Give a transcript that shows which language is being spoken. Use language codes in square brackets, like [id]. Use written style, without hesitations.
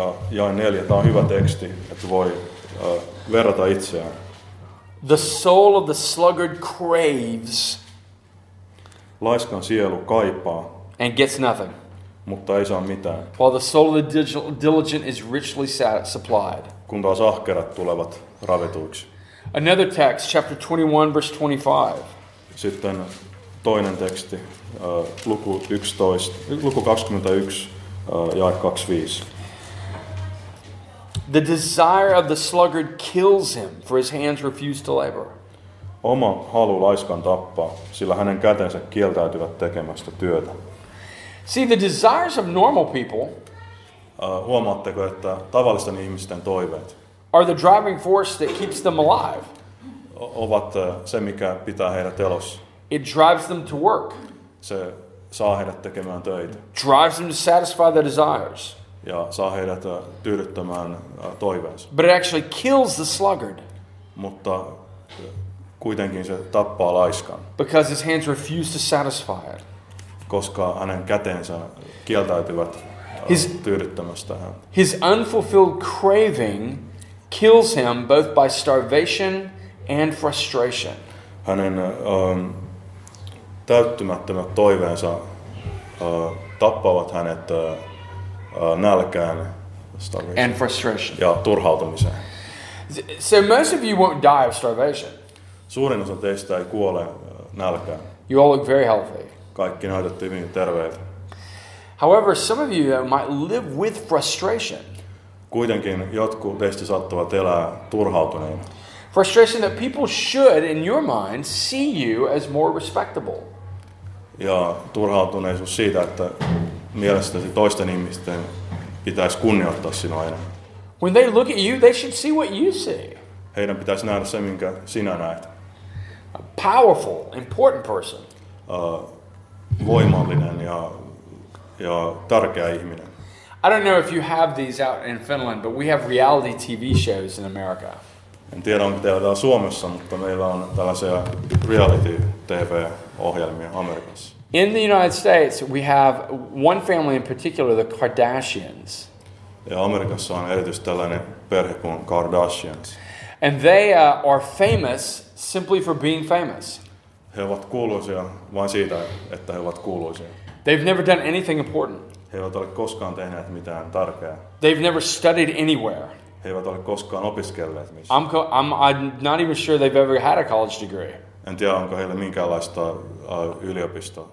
[fi] Ja 4, tämä on hyvä teksti, että voi verrata itseään [en] The soul of the sluggard craves. [fi] Laiskan sielu kaipaa. [en] And gets nothing. [fi] Mutta ei saa mitään. [en] While the soul of the diligent is richly supplied. [fi] Kun taas ahkerat tulevat ravituiksi. [en] Another text, chapter 21, verse 25. [fi] Sitten toinen teksti, luku 21, jae 25. [en] The desire of the sluggard kills him, for his hands refuse to labor. [fi] Oma halu laiskan tappaa, sillä hänen kätensä kieltäytyvät tekemästä työtä. [en] See, the desires of normal people [fi] huomaatteko, että tavallisten ihmisten toiveet [en] are the driving force that keeps them alive. [fi] Ovat se, mikä pitää heidät elossa. [en] It drives them to work. [fi] Se saa heidät tekemään töitä. [en] Drives them to satisfy their desires. [fi] Ja saa heidät tyydyttämään toiveensa. [en] But it actually kills the sluggard. [fi] Mutta kuitenkin se tappaa laiskan. [en] Because his hands refuse to satisfy it. [fi] Koska hänen kätensä kieltäytyvät tyydyttämästä hän. [en] His unfulfilled craving kills him both by starvation and frustration. [fi] Hänen täyttymättömät toiveensa tappavat hänet nälkään [en] and frustration. [fi] Ja turhautumiseen. [en] So most of you won't die of starvation. [fi] Suurin osa teistä ei kuole nälkään. [en] You all look very healthy. [fi] Kaikki näytätte hyvin terveiltä. [en] However, some of you might live with frustration. [fi] Kuitenkin jotkut teistä saattavat elää turhautuneina. [en] Frustration that people should, in your mind, see you as more respectable. [fi] Ja turhautuneisuus siitä, että mielestäsi toisten ihmisten pitäisi kunnioittaa sinua enemmän. [en] When they look at you, they should see what you see. [fi] Heidän pitäisi nähdä se, minkä sinä näet. [en] A powerful, important person. [fi] Voimallinen ja tärkeä ihminen. [en] I don't know if you have these out in Finland, but we have reality TV shows in America. [fi] En tiedä, onko teillä täällä Suomessa, mutta meillä on tällaisia reality TV-ohjelmia Amerikassa. [en] In the United States, we have one family in particular, the Kardashians. [fi] Ja Amerikassa on erityisesti tällainen perhe kuin Kardashians. [en] And they are famous simply for being famous. [fi] He ovat kuuluisia vain siitä, että he ovat kuuluisia. [en] They've never done anything important. [fi] He eivät ole koskaan tehneet mitään tärkeää. [en] They've never studied anywhere. [fi] He eivät ole koskaan opiskelleet missä. [en] I'm not even sure they've ever had a college degree. [fi] En tiedä, onko heillä minkäänlaista yliopistoa.